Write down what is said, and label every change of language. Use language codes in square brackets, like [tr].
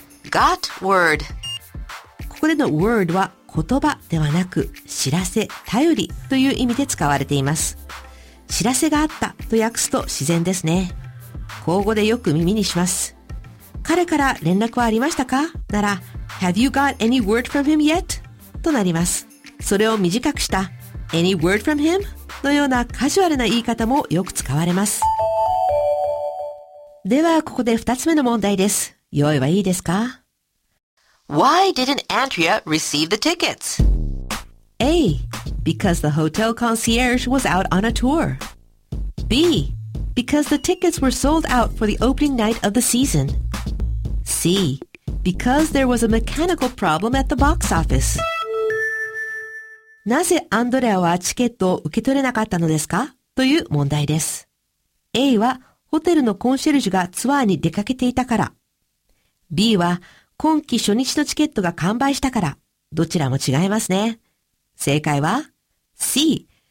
[en] Got word. [ja] ここでの word は言葉ではなく、知らせ、頼りという意味で使われています。知らせがあったと訳すと自然ですね。口語でよく耳にします。彼から連絡はありましたか？ [en] なら、Have you got any word from him yet? [ja] となります。それを短くした、 [en] Any word from him? [ja] のようなカジュアルな言い方もよく使われます。では、ここで二つ目の問題です。用意はいいですか？ [en] Why didn't Andrea receive the tickets? A. Because the hotel concierge was out on a tour. B. Because the tickets were sold out for the opening night of the season. C. Because there was a mechanical problem at the box office. [ja] なぜアンドレアはチケットを受け取れなかったのですか？という問題です。A はホテルのコンシェルジュがツアーに出かけていたから。 B は今期初日のチケットが完売したから。どちらも違いますね。正解は C。